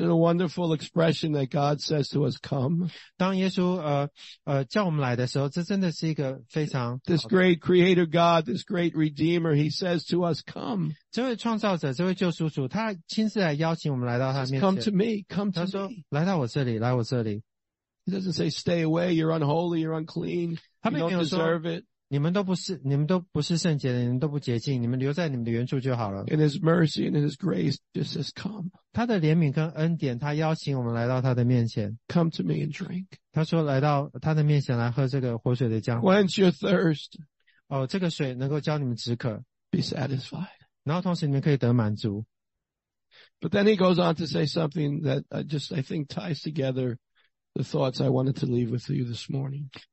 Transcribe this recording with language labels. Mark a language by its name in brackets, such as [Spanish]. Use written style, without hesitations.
[English] it a wonderful expression that God says to us, come? [Chinese] 当耶稣叫我们来的时候，这真的是一个非常。 [English] This great Creator God, this great Redeemer, he says to us, come. [Chinese] 这位创造者，这位救赎主，他亲自来邀请我们来到他面前。 [English] Come to me, come to me. [Chinese] 他说：“来到我这里，来我这里。” [English] He doesn't say, "Stay away. You're unholy. You're unclean. You don't deserve it." [Chinese] 你们都不是圣洁的，你们都不洁净，你们留在你们的原处就好了。 [English] In His mercy and in His grace, just says, "Come." [Chinese] 他的怜悯跟恩典，他邀请我们来到他的面前。 [English] Come to me and drink. [Chinese] 他说：“来到他的面前来喝这个活水的江。” [English] Quench your thirst. [Chinese] 哦，这个水能够浇你们止渴。 [English] Be satisfied. [Chinese] 然后同时你们可以得满足。 [English] But then he goes on to say something that I think ties together the thoughts I wanted to leave with you this morning.